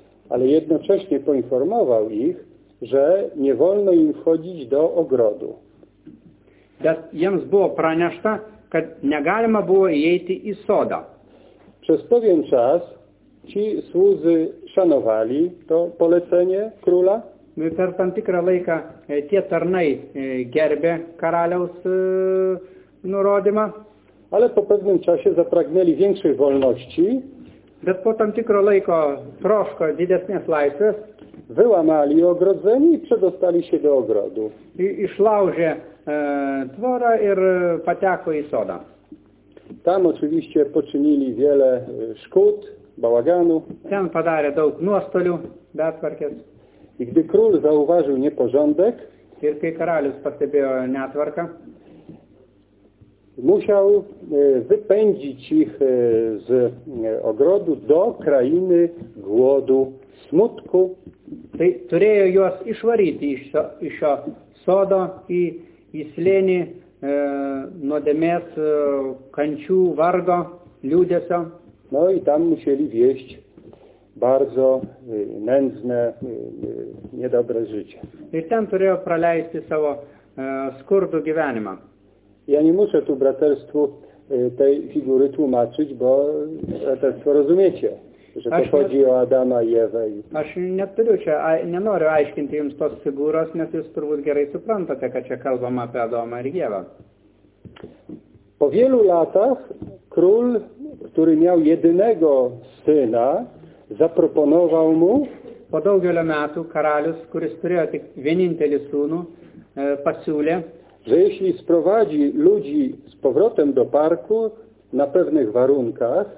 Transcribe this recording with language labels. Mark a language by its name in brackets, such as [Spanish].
[Polish] Ale jednocześnie poinformował ich, że nie wolno im wchodzić do ogrodu. [Lithuanian] Bet jiems buvo pranešta, kad negalima buvo įeiti į sodą. [Polish] Przez pewien czas ci słudzy szanowali to polecenie króla. [Lithuanian] Per tam tikrą laiką tie tarnai gerbė karaliaus nurodymą. [Polish] Ale po pewnym czasie zapragnęli większej wolności. [Lithuanian] Bet po tam tikrą laiką troško didesnės laisvės. [Polish] Wyłamali ogrodzenie i przedostali się do ogrodu. [Lithuanian] I szlauże tvora ir pateko į sodą. [Polish] Tam oczywiście poczynili wiele szkód, bałaganu. [Lithuanian] Ten padarė daug nuostolių, betvarkės. [Polish] I gdy król zauważył nieporządek, [Lithuanian] ir kai karalius pastebėjo netvarką, [Polish] musiał wypędzić ich z ogrodu do krainy głodu, smutku. [Lithuanian] Tai turėjo juos išvaryti iš šio sodo į įslėnį nuodėmės kančių vargo liūdėsio. [Polish] No i tam musieli wieść bardzo nędzne, niedobre życie. [Lithuanian] Ir ten turėjo praleisti savo skurdų gyvenimą. [Polish] Ja nie muszę tu braterstwu tej figury tłumaczyć, bo braterstwo rozumiecie, że aš to chodzi o Adama i Ewę. [Lithuanian] Aš neturiu čia, nie noriu aiškinti jums tos figūros, nes jūs turbūt gerai suprantate, kad čia kalbama apie Adomą ir Ievą. [Polish] Po wielu latach król, który miał jedynego syna, zaproponował mu... [Lithuanian] Po daugelio metų karalius, kuris turėjo tik vienintelį sūnų, pasiūlė, [Polish] że jeśli sprowadzi ludzi z powrotem do parku na pewnych warunkach,